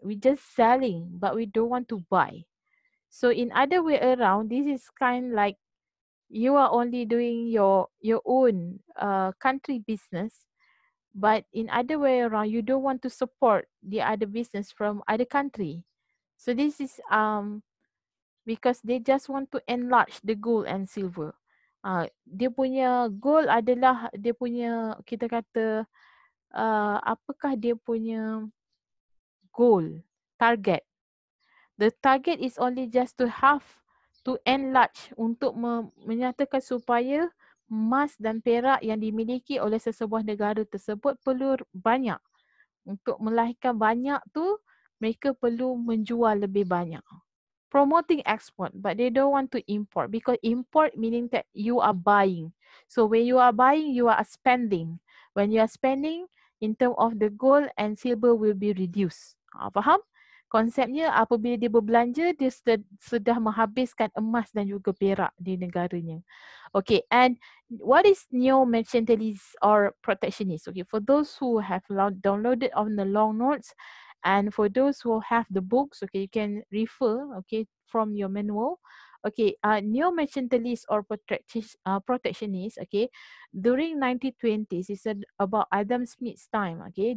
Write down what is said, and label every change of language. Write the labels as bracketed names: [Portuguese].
[English] We just selling, but we don't want to buy. So in other way around, this is kind like you are only doing your own country business, but in other way around, you don't want to support the other business from other country. So this is because they just want to enlarge the gold and silver. [Malay] Dia punya goal adalah dia punya, kita kata, apakah dia punya goal, target. [English] The target is only just to have, to enlarge, [Malay] untuk menyatakan supaya emas dan perak yang dimiliki oleh sesebuah negara tersebut perlu banyak. Untuk melahirkan banyak tu, mereka perlu menjual lebih banyak. [English] Promoting export, but they don't want to import, because import meaning that you are buying. So when you are buying, you are spending. When you are spending, in terms of the gold and silver will be reduced. [Malay] Faham? Konsepnya, apabila dia berbelanja, dia sudah menghabiskan emas dan juga perak di negaranya. [English] Okay, and what is neo-mercantilist or protectionist? Okay, for those who have downloaded on the long notes, and for those who have the books, okay, you can refer, okay, from your manual. Okay, neo-mercantilist or protectionist, okay, during 1920s, it's about Adam Smith's time, okay.